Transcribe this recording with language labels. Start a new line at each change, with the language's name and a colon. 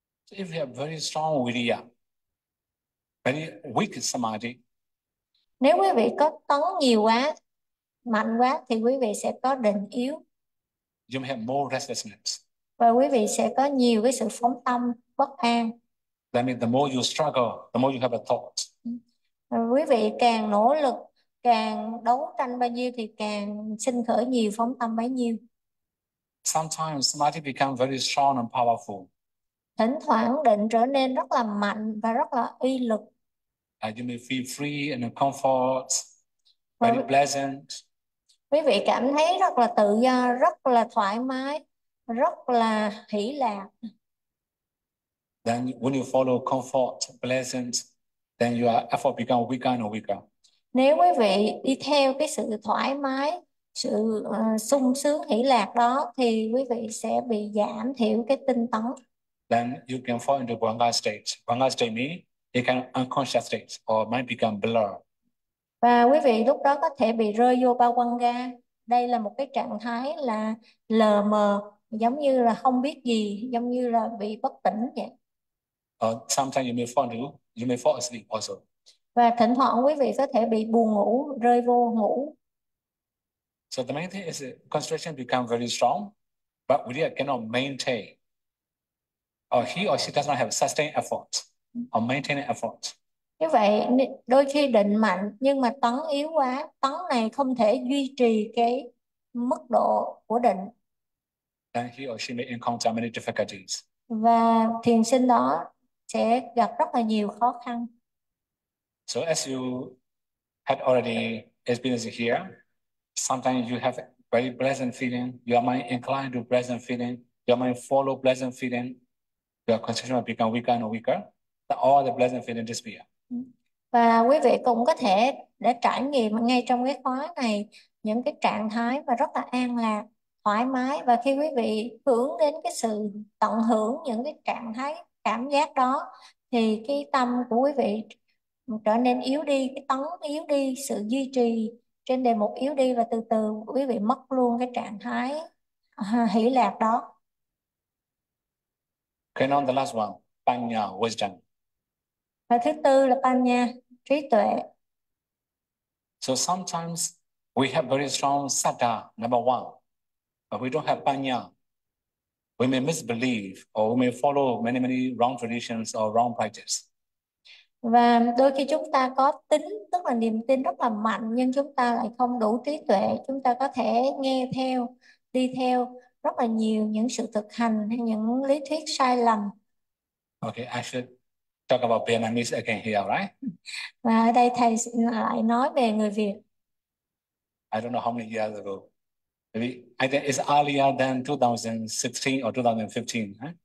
English: If we have very strong vidya, very weak samadhi,
Vietnamese: Nếu quý vị có tấn nhiều quá, mạnh quá, thì quý vị sẽ có định yếu,
English: you may have more restlessness.
Vietnamese: và quý vị sẽ có nhiều cái sự phóng tâm bất an.
English: That means the more you struggle, the more you have a thought.
Vietnamese: Và quý vị càng nỗ lực, càng đấu tranh bao nhiêu thì càng sinh khởi nhiều phóng tâm bấy nhiêu.
English: Sometimes samadhi become very strong and powerful.
Vietnamese: Thỉnh thoảng định trở nên rất là mạnh và rất là uy lực.
English: You may feel free and comfort,
Vietnamese: Và
English: very pleasant.
Vietnamese: quý vị cảm thấy rất là tự do, rất là thoải mái, rất là hỷ lạc.
English: Then when you follow comfort, pleasant, then your effort become weaker and weaker.
Vietnamese: Nếu quý vị đi theo cái sự thoải mái, sự sung sướng hỷ lạc đó thì quý vị sẽ bị giảm thiểu cái tinh tấn.
English: Then you can fall into Bhanga state. Bhanga state means you can unconscious state or might become blur.
Vietnamese: Và quý vị lúc đó có thể bị rơi vô Bhavanga. Đây là một cái trạng thái là lờ mờ, giống như là không biết gì, giống như là bị bất tỉnh vậy.
English: Sometimes you may fall asleep also.
Vietnamese: Và thỉnh thoảng quý vị có thể bị buồn ngủ, rơi vô ngủ.
English: So the main thing is the concentration become very strong, but we cannot maintain. Or he or she does not have sustained effort or maintain effort.
Vietnamese: Như vậy đôi khi định mạnh nhưng mà tấn yếu quá, tấn này không thể duy trì cái mức độ của định.
English: Then he or she may encounter many difficulties.
Vietnamese: Và thiền sinh đó sẽ gặp rất là nhiều khó khăn.
English: So as you had already experienced here, sometimes you have very pleasant feeling, your mind inclined to pleasant feeling, your mind follow pleasant feeling, your concentration will become weaker and weaker, that all the pleasant feeling disappear.
Vietnamese: Và quý vị cũng có thể để trải nghiệm ngay trong cái khóa này những cái trạng thái và rất là an lạc, thoải mái. Và khi quý vị hướng đến cái sự tận hưởng những cái trạng thái cảm giác đó thì cái tâm của quý vị trở nên yếu đi, cái tấn yếu đi, sự duy trì trên đề mục yếu đi, và từ từ quý vị mất luôn cái trạng thái hỷ lạc đó.
English: Okay, now the last one, Panya, wisdom.
Vietnamese: Và thứ tư là Panya, trí tuệ.
English: So sometimes we have very strong Saddha, number one, but we don't have Panya. We may misbelieve or we may follow many, many wrong traditions or wrong practice.
Vietnamese: Và đôi khi chúng ta có tín, tức là niềm tin rất là mạnh, nhưng chúng ta lại không đủ trí tuệ. Chúng ta có thể nghe theo, đi theo rất là nhiều những sự thực hành hay những lý thuyết sai lầm.
English: Okay, I should talk about Vietnamese again here, right?
Vietnamese: Và ở đây thầy lại nói về người Việt.
English: I don't know how many years ago. Maybe, I think it's earlier than 2016 or 2015, right?